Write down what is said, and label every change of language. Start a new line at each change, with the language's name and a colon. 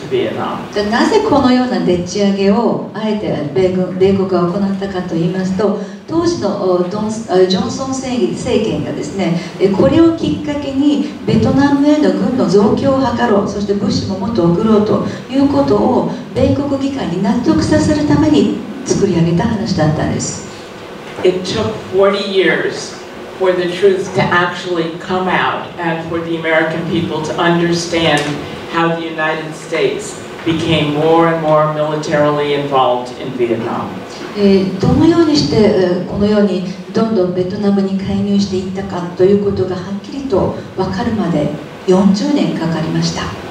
Japanese: なぜこのようなでっち上げをあえて米国が行ったかといいますと、当時のジョンソン政権がですね、これをきっかけにベトナムへの軍の増強を図ろう、そして物資ももっと送ろうということを米国議会に納得させるために作り上げた話だったんです。
English: It took 40 years for the truth to actually come out and for the American people to understandhow the United States became more and more militarily involved in Vietnam.
Japanese: どのようにしてこのようにどんどんベトナムに介入していったかということがはっきりと分かるまで40年かかりました。